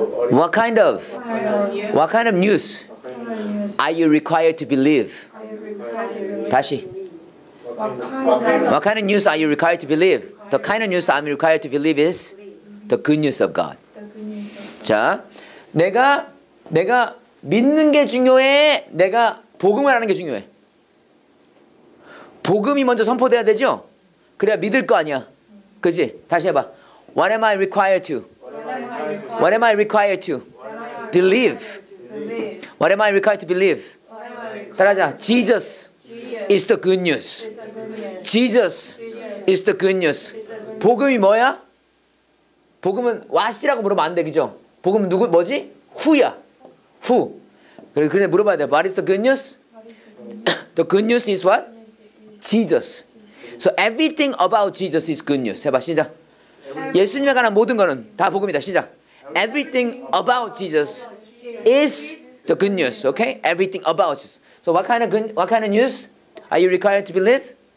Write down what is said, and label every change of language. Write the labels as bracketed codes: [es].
[en] What kind of news? Are you required to believe? [ko] 다시. [en] What kind of news are you required to believe? The kind of news I'm required to believe is the good news of God. [ko] 자, 내가 믿는 게 중요해. 내가 복음을 하는 게 중요해. 복음이 먼저 선포돼야 되죠. 그래야 믿을 거 아니야. 그지? 다시 해봐. [en] What am I required to? What am I required to? Believe. What am I required to believe? [ko] 따라하자. [en] Jesus is the good news. Jesus is the good news. [ko] 복음이 뭐야? 복음은 what이라고 물어보면 안 돼, 그죠? 복음은 누구, 뭐지? Who야. Who. 그래 물어봐야 돼. [en] What is the good news? The good news is what? Jesus. So everything about Jesus is good news. [ko] 해봐, 시작. 예수님에 관한 모든 거는 다 복음이다, 시작. [en] Everything about Jesus is the good news, okay? Everything about Jesus. So what kind of news are you required to believe?